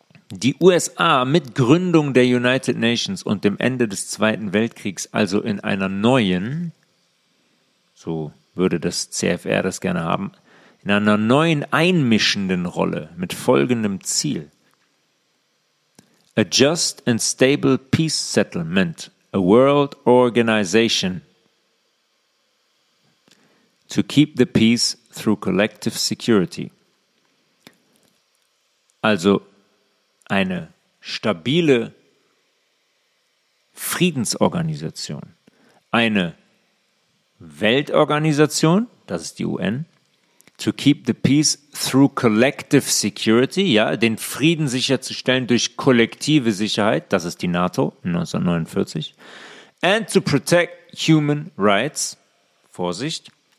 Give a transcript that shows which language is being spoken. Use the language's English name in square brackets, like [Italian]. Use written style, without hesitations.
[German] Die USA mit Gründung der United Nations und dem Ende des Zweiten Weltkriegs, also in einer neuen, so würde das CFR das gerne haben, in einer neuen einmischenden Rolle mit folgendem Ziel: [English] A just and stable peace settlement. A world organization to keep the peace through collective security. [German] Also eine stabile Friedensorganisation, eine Weltorganisation, das ist die UN, [English] to keep the peace through collective security, [German] ja, den Frieden sicherzustellen durch kollektive Sicherheit, das ist die NATO 1949, [English] and to protect human rights, [German] Vorsicht,